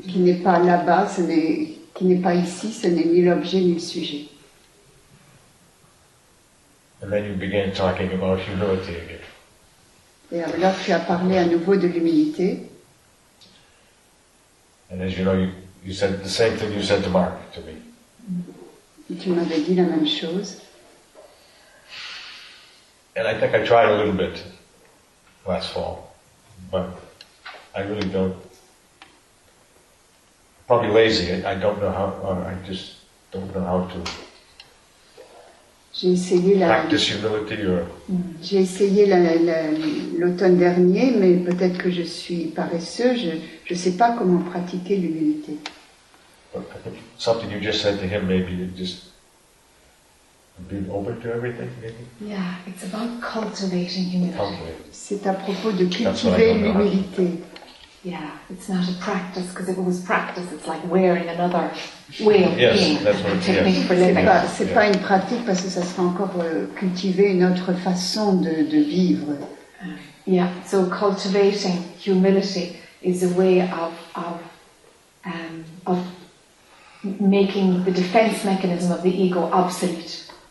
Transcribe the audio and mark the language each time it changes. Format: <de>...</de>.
<fr>Qui n'est pas là-bas, qui n'est pas ici, ce n'est ni l'objet ni le sujet.</fr> <en>And then you began talking about humility again.</en> <fr>Et alors tu as parlé à nouveau de l'humilité.</fr> <en>And as you know, you said the same thing you said to Marc, to me.</en> <fr>Tu m'avais dit la même chose.</fr> <en>And I think I tried a little bit last fall, but I really don't. Probably lazy. I don't know how. I just don't know how to.</en> <fr>J'ai essayé la.</fr> <en>Practice humility, or.</en> <fr>J'ai essayé l'automne dernier, mais peut-être que je suis paresseux. Je sais pas comment pratiquer l'humilité.</fr> <en>But I think something you just said to him, maybe just being open to everything, maybe? Yeah, it's about cultivating humility.</en> <fr>C'est à propos de cultiver l'humilité.</fr> <en>Yeah, it's not a practice, because if it was practice, it's like wearing another way of yes, being. That's what it is.</en> <fr>Pas une pratique, parce que ça serait encore cultiver une autre façon de vivre.</fr> <en>Yeah, so cultivating humility is a way of making the defense mechanism of the ego obsolete.</en>